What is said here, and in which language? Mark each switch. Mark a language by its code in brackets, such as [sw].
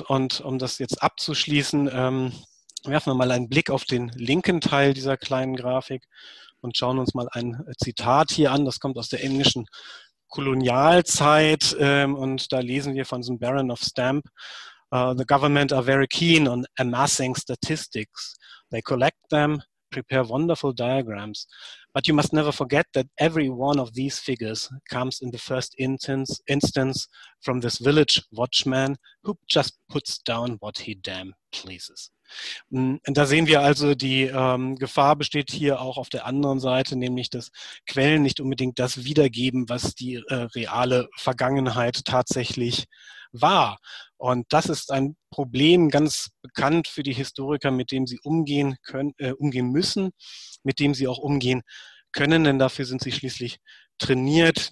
[de] Und um das jetzt abzuschließen, werfen wir mal einen Blick auf den linken Teil dieser kleinen Grafik und schauen uns mal ein Zitat hier an. Das kommt aus der englischen Kolonialzeit und da lesen wir von diesem Baron of Stamp, [en] the government are very keen on amassing statistics. They collect them, prepare wonderful diagrams. But you must never forget that every one of these figures comes in the first instance from this village watchman who just puts down what he damn pleases. [de] Und da sehen wir also, die Gefahr besteht hier auch auf der anderen Seite, nämlich dass Quellen nicht unbedingt das wiedergeben, was die reale Vergangenheit tatsächlich war. Und das ist ein Problem, ganz bekannt für die Historiker, mit dem sie umgehen müssen, mit dem sie auch umgehen können, denn dafür sind sie schließlich trainiert.